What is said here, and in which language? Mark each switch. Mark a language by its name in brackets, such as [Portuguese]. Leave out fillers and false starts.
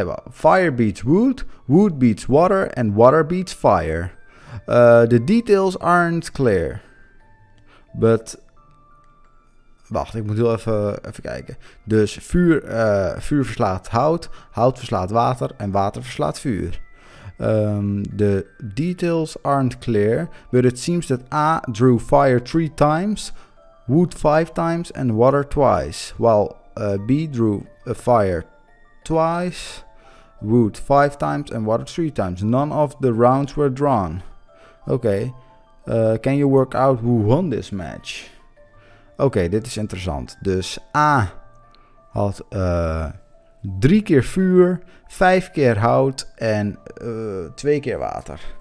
[English] Fire beats wood, wood beats water, and water beats fire. The details aren't clear. [Dutch] But wacht, ik moet heel even kijken. Dus vuur verslaat hout, hout verslaat water en water verslaat vuur. [English] The details aren't clear, but it seems that A drew fire 3 times, wood 5 times and water twice. While B drew a fire twice, wood 5 times and water 3 times. None of the rounds were drawn. Okay, can you work out who won this match? [Dutch] Okay, dit is interessant. Dus A had 3 keer vuur, 5 keer hout en 2 keer water.